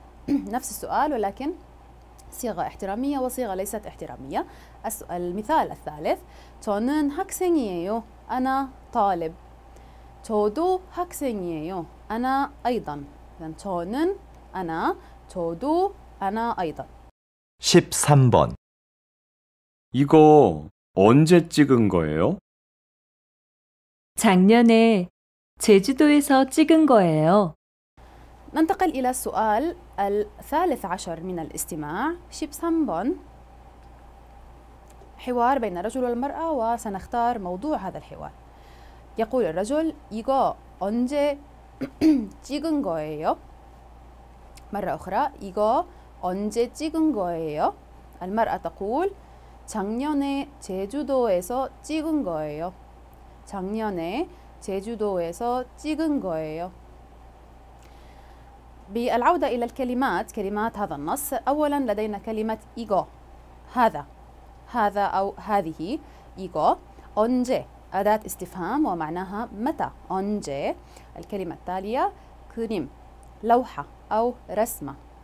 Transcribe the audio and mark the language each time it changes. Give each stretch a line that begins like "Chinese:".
Arabic: نفس السؤال ولكن صيغة احترامية وصيغة ليست احترامية. المثال الثالث
Korean: 저는 학생이에요
Arabic: أنا طالب
Korean: 저도 학생이에요
Arabic: أنا أيضا
Korean: 저는
Arabic: أنا
Korean: 저도
Arabic: أنا أيضا.
Korean: 13번 이거 언제 찍은 거예요? 작년에 제주도에서 찍은 거예요.
Arabic: ننتقل إلى السؤال الثالث عشر من الاستماع
Korean: 13번
Arabic: حوار بين الرجل والمرأة وسنختار موضوع هذا الحوار. يقول الرجل
Korean: 이거 언제 찍은 거예요
Arabic: مرة أخرى 이거 언제 찍은 거예요. المرأة تقول
Korean: 작년에 제주도에서 찍은 거예요
Arabic: 작년에 제주도에서 찍은 거예요. بالعودة إلى الكلمات، كلمات هذا النص، أولاً لدينا كلمة 이거، هذا، هذا أو هذه.
Korean: 이거 언제،
Arabic: أداة استفهام ومعناها متى.
Korean: 언제.
Arabic: الكلمة التالية 그림، لوحة أو رسمة.